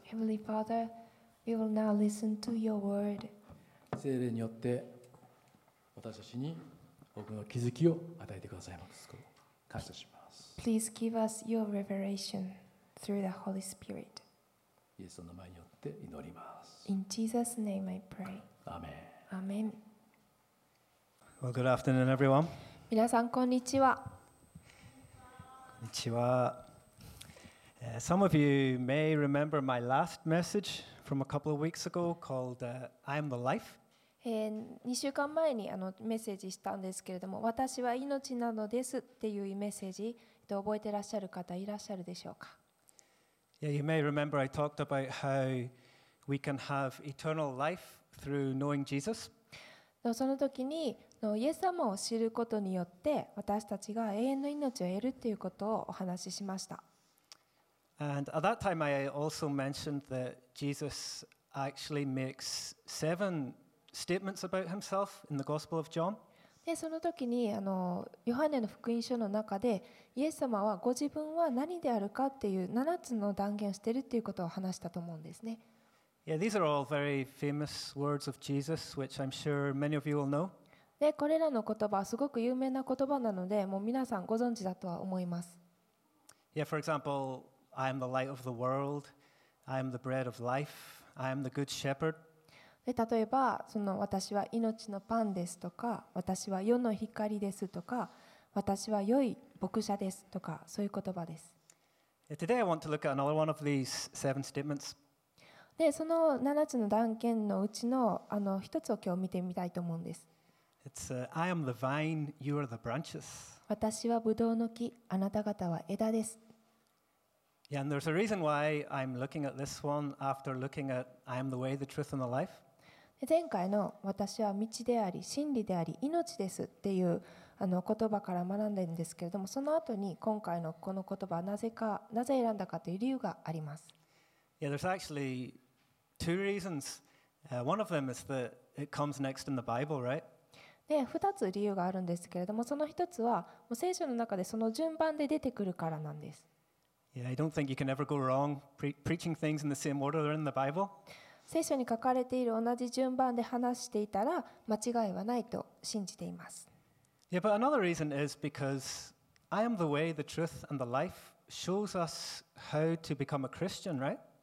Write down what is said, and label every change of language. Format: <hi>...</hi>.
<en>Heavenly Father, we will now listen to your word.</en> <ja>聖霊によって私たちに多くの気づきを与えてくださいます。感謝します。</ja> <en>Please give us your revelation through the Holy Spirit.</en> <ja>イエスの名前によって祈ります。</ja> <en>In Jesus' name I pray.</en> <ja>アメン。アメン。</ja> <en>Well, good afternoon, everyone.</en> <ja>皆さんこんにちは。こんにちは。</ja> <en>Some of you may remember my last message from a couple of weeks ago called I am the life.</en> <ja>2週間前にメッセージしたんですけれども、私は命なのですっていうメッセージ、覚えてらっしゃる方いらっしゃるでしょうか。</ja> <en>Yeah, you may remember I talked about how we can have eternal life through knowing Jesus.</en> <ja>その時にイエス様を知ることによって私たちが永遠の命を得るということをお話ししました。</ja> <en>And at that time, I also mentioned that Jesus actually makes seven statements about himself in the Gospel of John.</en> <ja>で、その時にヨハネの福音書の中で、イエス様はご自分は何であるかっていう7つの断言をしているっていうことを話したと思うんですね。</ja> <en>Yeah, these are all very famous words of Jesus, which I'm sure many of you will know.</en> <ja>で、これらの言葉はすごく有名な言葉なので、もう皆さんご存知だとは思います。</ja> <en>Yeah, for example,I am the light of the world. I am the bread of life. I am the good shepherd.</en> <ja>で、例えば、その私は命のパンですとか、私は世の光ですとか、私は良い牧者ですとか、そういう言葉です。</ja> <en>Today I want to look at another one of these seven statements.</en> <ja>で、その7つの断言のうちの一つを今日見てみたいと思うんです。</ja> <en>It's, I am the vine, you are the branches.</en> <ja>私はブドウの木、あなた方は枝です。</ja> <en>Yeah, and there's a reason why I'm looking at this one after looking at I am the way, the truth, and the life.</en> <ja>前回の私は道であり真理であり命ですっていう言葉から学んでるんですけれども、その後に今回のこの言葉はなぜ選んだかという理由があります。</ja> <en>Yeah, there's actually two reasons. One of them is that it comes next in the Bible, right?</en> <ja>で、二つ理由があるんですけれども、その一つはもう聖書の中でその順番で出てくるからなんです。</ja> <en>Yeah, I don't think you can ever go wrong preaching things in the same order they're in the Bible.</en> <ja>聖書に書かれている同じ順番で話していたら間違いはないと信じています。</ja> <en>Yeah, but another reason is because I am the way, the truth, and the life shows us how to become a Christian, right?</en>